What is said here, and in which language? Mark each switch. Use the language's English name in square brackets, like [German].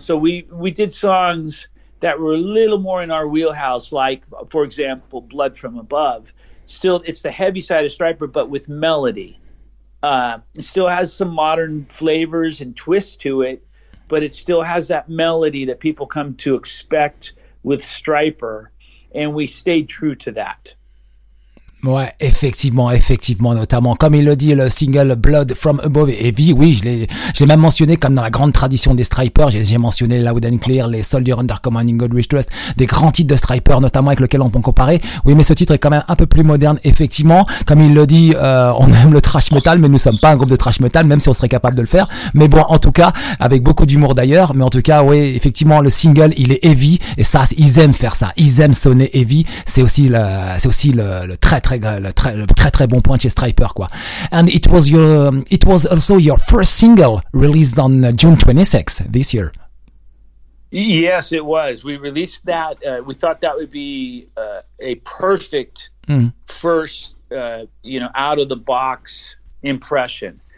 [English] So we did songs that were a little more in our wheelhouse, like, for example, Blood from Above. Still, it's the heavy side of Stryper, but with melody. It still has some modern flavors and twists to it, but it still has that melody that people come to expect with Stryper, and we stayed true to that. [French] Ouais, effectivement, notamment comme il le dit, le single Blood from Above et Vie, oui, je l'ai même mentionné comme dans la grande tradition des Stryper, j'ai mentionné Loud and Clear, les Soldier Under Command, In God We Trust, des grands titres de Stryper notamment avec lesquels on peut comparer, oui, mais ce titre est quand même un peu plus moderne, effectivement, comme il le dit, on aime le thrash metal, mais nous sommes pas un groupe de thrash metal, même si on serait capable de le faire, mais bon, en tout cas, avec beaucoup d'humour d'ailleurs, mais en tout cas, oui, effectivement, le single, il est heavy, et ça, ils aiment faire ça, ils aiment sonner heavy, c'est aussi le très, très très bon point chez Stryper, quoi. [English] And it was also your first single released on June 26 this year. Yes, it was. We released that. We thought that would be a perfect first, out of the box impression.